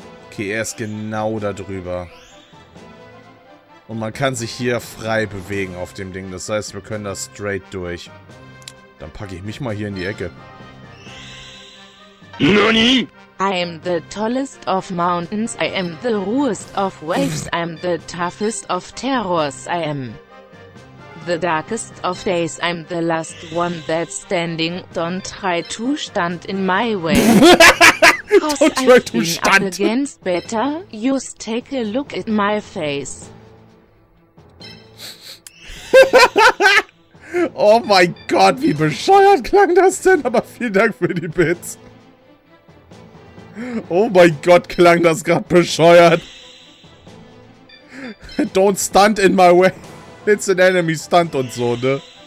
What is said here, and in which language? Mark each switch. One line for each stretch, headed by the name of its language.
German: Okay, er ist genau da drüber. Und man kann sich hier frei bewegen auf dem Ding. Das heißt, wir können da straight durch. Dann packe ich mich mal hier in die Ecke.
Japanese: Nani?
English: I am the tallest of mountains, I am the roughest of waves, I am the toughest of terrors, I am the darkest of days, I am the last one that's standing, don't try to stand in my way. Don't try to stand. Up against better, just take a look at my face.
German: Oh mein Gott, wie bescheuert klang das denn? Aber vielen Dank für die Bits. Oh mein Gott, klang das gerade bescheuert.
English: Don't stand in my way. It's an enemy stunt
German: und so, ne?